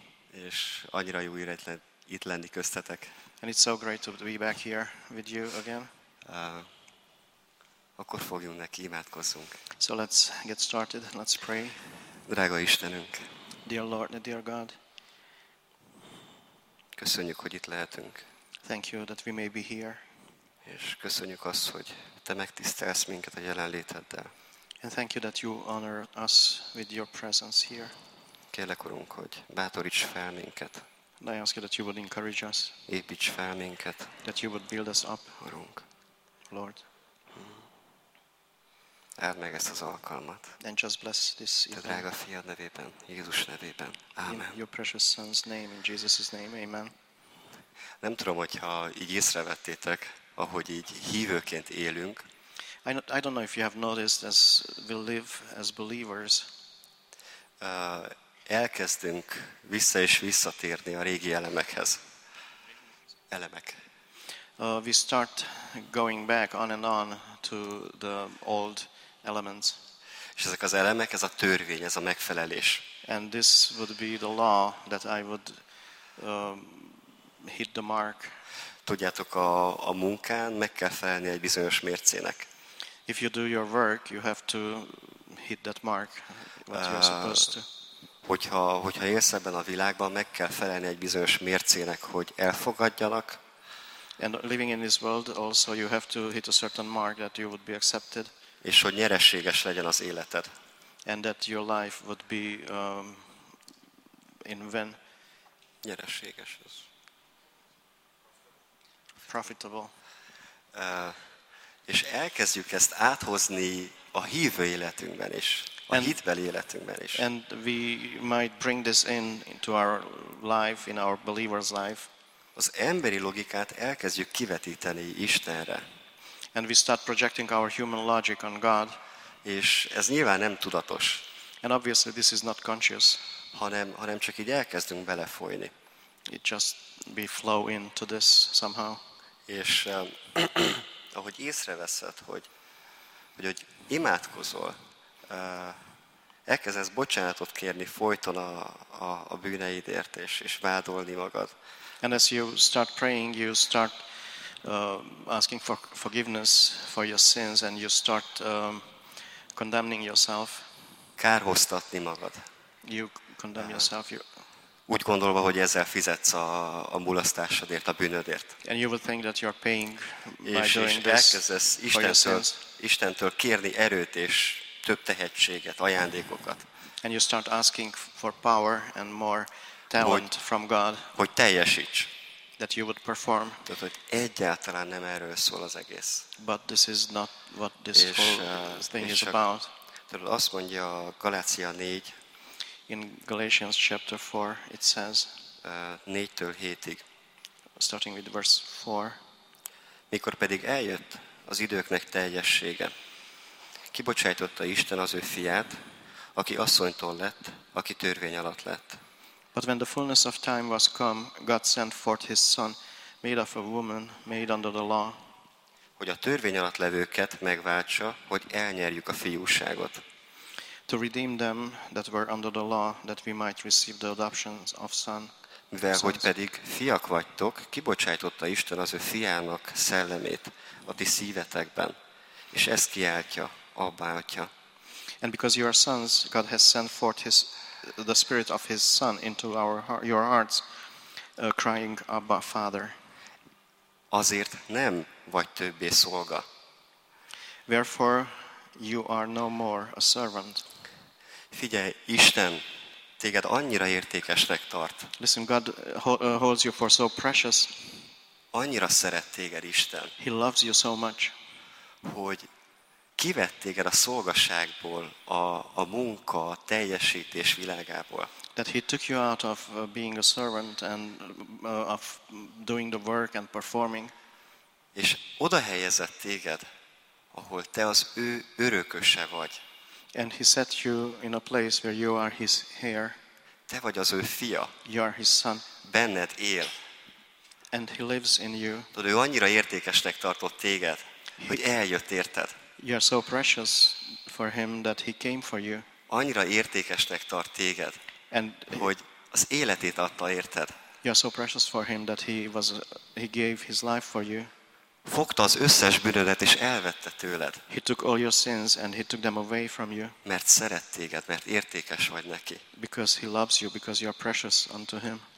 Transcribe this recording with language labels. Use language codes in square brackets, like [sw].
[hu] És annyira jó itt lenni köztetek. [en] And it's so great to be back here with you again. [hu] Akkor fogjunk neki, imádkozzunk. [en] So let's get started, let's pray. [hu] Drága Istenünk! [en] Dear Lord, dear God. [hu] Köszönjük, hogy itt lehetünk. [en] Thank you that we may be here. [hu] És köszönjük azt, hogy te megtisztelsz minket a jelenléteddel. [en] And thank you that you honor us with your presence here. [hu] Kérlek, Urunk, hogy bátoríts fel minket. [en] And I ask you that you would encourage us. [hu] Építs fel minket. [en] That you would build us up, [hu] Urunk. [en] Lord. [hu] Áld meg ezt az alkalmat. [en] And just bless this event. [hu] Te drága fiad nevében, Jézus nevében. Amen. [en] In your precious son's name, in Jesus' name, amen. [hu] Nem tudom, hogyha így észrevettétek, ahogy így hívőként élünk. [en] I don't know if you have noticed as we live as believers. [hu] Elkezdünk vissza és visszatérni a régi elemekhez. Elemek. [en] We start going back on and on to the old elements. [hu] És ezek az elemek, ez a törvény, ez a megfelelés. [en] And this would be the law that I would hit the mark. [hu] Tudjátok, a munkán meg kell felelni egy bizonyos mércének. [en] If you do your work, you have to hit that mark, what you're supposed to. [hu] Hogyha élsz ebben a világban, meg kell felelni egy bizonyos mércének, hogy elfogadjanak. [en] And living in this world, also you have to hit a certain mark that you would be accepted. [hu] És hogy nyereséges legyen az életed. [en] And that your life would be in vain. [hu] Nyereséges az. [en] Profitable. [hu] És elkezdjük ezt áthozni a hívő életünkben is, a hitbeli életünkben is. [en] And we might bring this in into our life, in our believer's life. [hu] Az emberi logikát elkezdjük kivetíteni Istenre. [en] And we start projecting our human logic on God. [hu] És ez nyilván nem tudatos. [en] And obviously this is not conscious. [hu] Hanem csak így elkezdünk belefolyni. [en] It just we flow into this somehow. [hu] És ahogy észreveszed, hogy imádkozol, elkezdesz bocsánatot kérni folyton a bűneidért, és vádolni magad. [en] And as you start praying, you start asking for forgiveness for your sins, and you start condemning yourself. [hu] Kárhoztatni magad. [en] You condemn yourself. [hu] Úgy gondolva, hogy ezzel fizetsz a mulasztásodért, a bűnödért. [en] And you will think that you are paying by [hu] és [en] doing this. [hu] És elkezdesz Istentől kérni erőt és több tehetséget, ajándékokat. [en] And you start asking for power and more talent from God. [hu] Hogy teljesíts. [en] That you would perform. [hu] Tehát, hogy egyáltalán nem erről szól az egész. [en] But this is not what this whole thing is about. [hu] Tehát azt mondja a Galácia 4. [en] In Galatians chapter 4 it says [hu] 4-től 7-ig, [en] starting with verse 4. [hu] Mikor pedig eljött az időknek teljessége, kibocsájtotta Isten az ő fiát, aki asszonytól lett, aki törvény alatt lett. [en] But when the fullness of time was come, God sent forth his son, made of a woman, made under the law, [hu] hogy a törvény alatt levőket megváltsa, hogy elnyerjük a fiúságot. [en] To redeem them that were under the law, that we might receive the adoption of son. [hu] Mivel hogy pedig fiak vagytok, kibocsájtotta Isten az ő fiának szellemét a ti szívetekben, és ezt kiáltja, Abba, Atya. [en] And because you are sons, God has sent forth the spirit of his son into your hearts, crying, Abba, Father. [hu] Azért nem vagy többé szolga. [en] Therefore, you are no more a servant. [hu] Figyelj, Isten téged annyira értékesnek tart. [en] Listen, God holds you for so precious. [hu] Annyira szeret téged Isten. [en] He loves you so much. [hu] Hogy kivett téged a szolgaságból, a munka, a teljesítés világából. [en] That he took you out of being a servant and of doing the work and performing. [hu] És oda helyezett téged, ahol te az ő örököse vagy. [en] And he set you in a place where you are his heir. [hu] Te vagy az ő fia. [en] You are his son. [hu] Benned él. [en] And he lives in you. [hu] Tudod, ő annyira értékesnek tartott téged, hogy eljött érted. [en] You are so precious for him that he came for you. [hu] Annyira értékesnek tart téged, [en] and [hu] hogy az életét adta érted. [en] You are so precious for him that he gave his life for you. [hu] Fogta az összes bűnödet és elvette tőled. [en] He took all your sins and he took them away from you. [hu] Mert szeret téged, mert értékes vagy neki. [en] Because he loves you, because you are precious unto him.